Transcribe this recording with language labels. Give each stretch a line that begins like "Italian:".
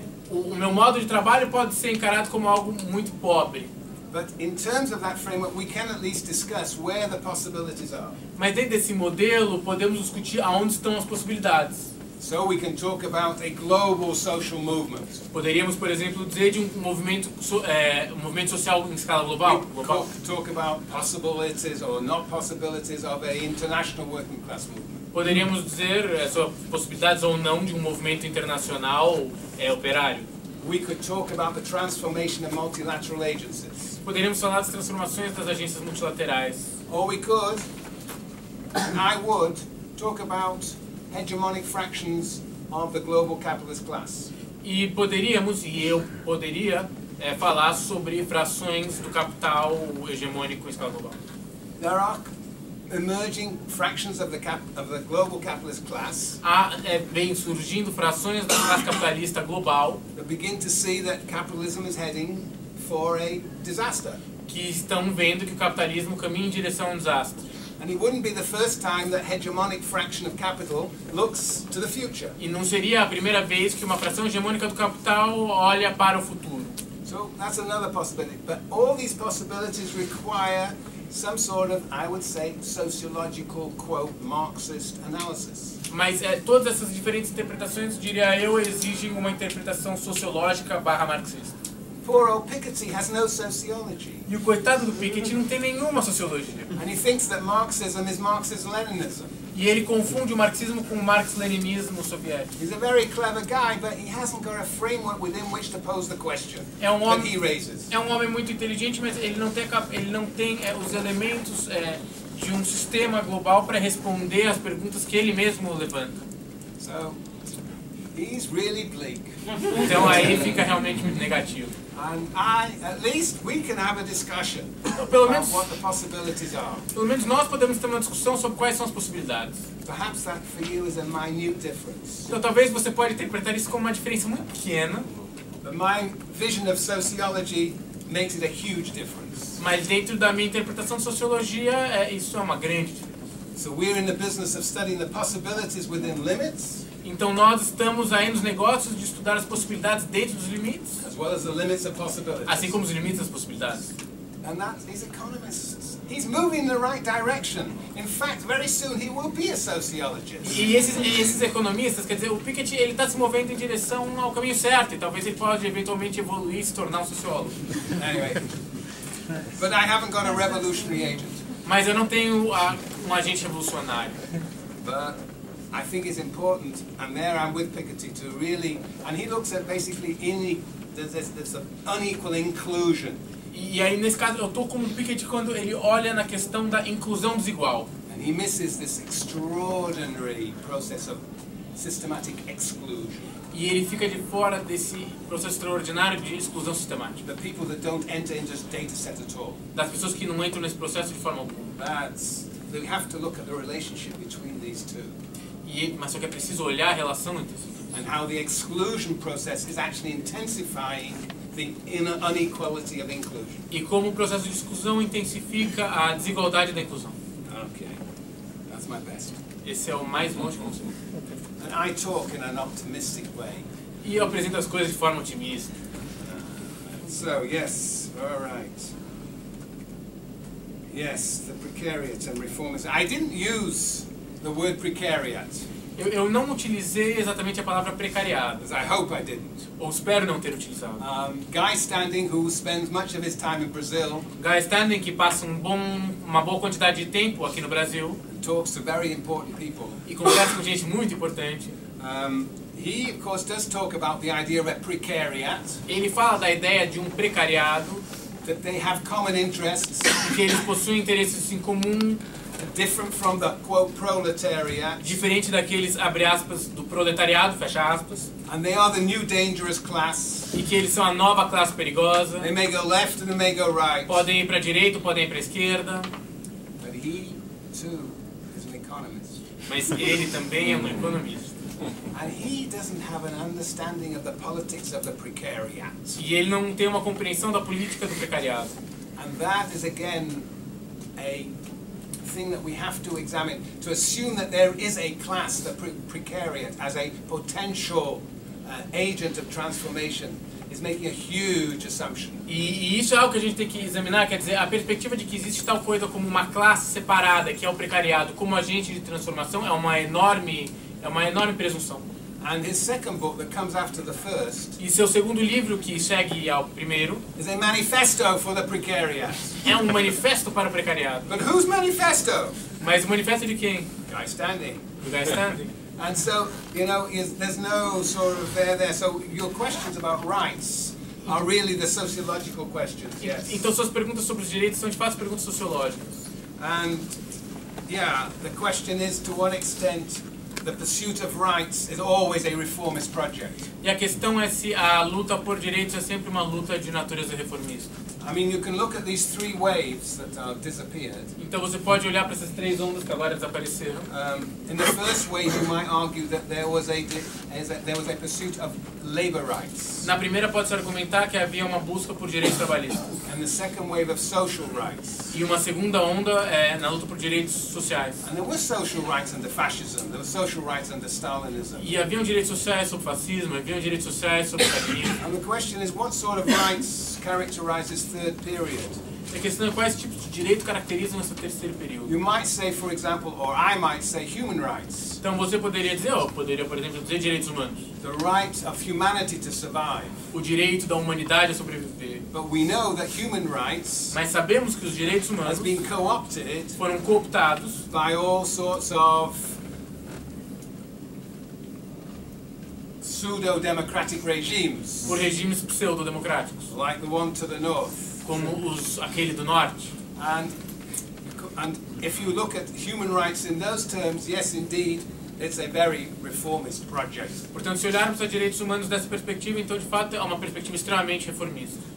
Portuguese: O meu modo de trabalho pode ser encarado como algo muito pobre.
English: But in terms of that framework, we can at least discuss where the possibilities are.
Portuguese: Mas dentro desse modelo, podemos discutir aonde estão as possibilidades.
English: So we can talk about a global social movement.
Portuguese: Poderíamos, por exemplo, dizer de um movimento social em escala global.
English: Talk about possibilities or not possibilities of an international working class movement.
Portuguese: Poderíamos dizer sobre possibilidades ou não de um movimento internacional operário.
English: We could talk about the transformation of multilateral agencies.
Portuguese: Poderíamos falar das transformações das agências multilaterais.
English: Or we could, and I would, talk about hegemonic fractions of the global capitalist class.
Portuguese: E poderíamos, e eu poderia, falar sobre frações do capital hegemônico em escala global.
English: There are emerging fractions of the global capitalist class.
Portuguese: Há vem surgindo frações da classe capitalista global.
English: They begin to see that capitalism is heading for a disaster.
Portuguese: Que estão vendo que o capitalismo caminha em direção a um desastre.
English: And it wouldn't be the first time that hegemonic fraction of capital looks to the future.
Portuguese: E não seria a primeira vez que uma fração hegemônica do capital olha para o futuro.
English: So that's another possibility. But all these possibilities require some sort of, I would say, sociological, quote, Marxist analysis.
Portuguese: Mas é, todas essas diferentes interpretações, diria eu, exigem uma interpretação sociológica barra marxista.
English: Poor old Piketty has no sociology.
Portuguese: E o coitado do Piketty não tem nenhuma sociologia.
English: And he thinks that Marxism is Marxist-Leninism.
Portuguese: E ele confunde o marxismo com o marx-leninismo soviético.
English: He's a very clever guy, but he hasn't got a framework within which to pose the question.
Portuguese: É um homem,
English: that he raises.
Portuguese: É um homem muito inteligente, mas ele não tem os elementos de um sistema global para responder às perguntas que ele mesmo levanta.
English: So, he's really bleak.
Portuguese: Então aí fica realmente muito negativo.
English: And I, at least we can have a discussion about what the possibilities are.
Portuguese: Pelo menos nós podemos ter uma discussão sobre quais são as possibilidades.
English: Perhaps that for you is a minute difference.
Portuguese: Então talvez você pode interpretar isso como uma diferença muito pequena.
English: But my vision of sociology makes it a huge difference.
Portuguese: Mas dentro da minha interpretação de sociologia, isso é uma grande diferença.
English: So we're in the business of studying the possibilities within limits.
Portuguese: Então nós estamos aí nos negócios de estudar as possibilidades dentro dos limites.
English: As well as the limits of possibilities.
Portuguese: Assim como os limites das possibilidades.
English: And that is economists. He's moving in the right direction. In fact, very soon he will be a sociologist.
Portuguese: E esses economistas, quer dizer, o Piketty, ele está se movendo em direção ao caminho certo. E talvez ele possa eventualmente evoluir e se tornar um sociólogo.
English: Anyway. But I haven't got a revolutionary agent.
Portuguese: Mas eu não tenho um agente revolucionário.
English: But I think it's important, and there I'm with Piketty, to really, and he looks at basically any, there's an unequal inclusion.
Portuguese: E aí nesse caso eu tô com o Piketty quando ele olha na questão da inclusão desigual.
English: And he misses this extraordinary process of systematic exclusion.
Portuguese: E ele fica de fora desse processo extraordinário de exclusão sistemática.
English: The people that don't enter into this data set at all.
Portuguese: Das pessoas que não entram nesse processo de forma alguma.
English: That's, we have to look at the relationship between these two.
Portuguese: Mas só que é preciso olhar a relação entre isso.
English: And how the exclusion process is actually intensifying the inequality of inclusion.
Portuguese: E como o processo de exclusão intensifica a desigualdade da inclusão.
English: Okay, that's my best.
Portuguese: Esse é o mais longe que consigo.
English: And I talk in an optimistic way.
Portuguese: E eu apresento as coisas de forma otimista.
English: So yes, all right. Yes, the precariat and reformist. I didn't use the word precariat.
Portuguese: Eu não utilizei exatamente a palavra precariado.
English: I hope I didn't.
Portuguese: Ou espero não ter utilizado.
English: Guy Standing, who spends much of his time in Brazil.
Portuguese: Guy Standing, que passa uma boa quantidade de tempo aqui no Brasil.
English: Talks to very important people.
Portuguese: E conversa com gente muito importante.
English: He of course does talk about the idea of a precariat.
Portuguese: Ele fala da ideia de um precariado.
English: That they have common interests.
Portuguese: Que eles possuem interesses em comum.
English: Different from the quote proletariat.
Portuguese: Diferente daqueles abre aspas do proletariado fecha aspas.
English: And they are the new dangerous class.
Portuguese: E que eles são a nova classe perigosa.
English: They may go left and they may go right.
Portuguese: Podem ir para direita, podem ir para esquerda.
English: But he too is an economist.
Portuguese: Mas ele também é um economista.
English: And he doesn't have an understanding of the politics of the precariat.
Portuguese: E ele não tem uma compreensão da política do precariado.
English: And that is again a thing that we have to examine, to assume that there is a class, the precariat, as a potential agent of transformation, is making a huge assumption.
Portuguese: E isso é algo que a gente tem que examinar, quer dizer, a perspectiva de que existe tal coisa como uma classe separada, que é o precariado, como agente de transformação, é uma enorme presunção.
English: And his second book that comes after the first.
Portuguese: E seu segundo livro que segue ao primeiro.
English: Is a manifesto for the precariat.
Portuguese: É um manifesto para o precariado.
English: But whose manifesto?
Portuguese: Mas o manifesto de quem?
English: Guy Standing.
Portuguese: Do Guy Standing.
English: And so, you know, there's no sort of there. So your questions about rights are really the sociological questions. Yes.
Portuguese: Então suas perguntas sobre os direitos são de fato perguntas sociológicas.
English: And yeah, the question is to what extent the pursuit of rights is always a reformist project.
Portuguese: E a questão é se a luta por direitos é sempre uma luta de natureza reformista.
English: I mean, you can look at these three waves that have disappeared.
Portuguese: Então você pode olhar para essas três ondas que agora desapareceram.
English: In the first wave, you might argue that there was a pursuit of labor rights.
Portuguese: Na primeira pode-se argumentar que havia uma busca por direitos trabalhistas.
English: And the second wave of social rights.
Portuguese: E uma segunda onda é na luta por direitos sociais.
English: And there were social rights under fascism. There were social rights under Stalinism.
Portuguese: E havia direitos sociais sobre fascismo. Havia direitos sociais sobre Stalinismo.
English: And the question is, what sort of rights characterizes third period?
Portuguese: A questão é quais tipos de direito caracterizam esse terceiro período.
English: You might say, for example, or I might say, human rights.
Portuguese: Então você poderia dizer, ou poderia, por exemplo, dizer direitos humanos.
English: The right of humanity to survive.
Portuguese: O direito da humanidade a sobreviver.
English: But we know that human rights.
Portuguese: Mas sabemos que os direitos humanos
English: has been co-opted
Portuguese: foram cooptados
English: by all sorts of pseudo-democratic regimes.
Portuguese: Por regimes pseudo-democráticos.
English: Like the one to the north.
Portuguese: Como os, aquele do norte.
English: And if you look at human rights in those terms, yes, indeed, it's a very reformist project.
Portuguese: Portanto, se olharmos a direitos humanos dessa perspectiva, então de fato é uma perspectiva extremamente reformista.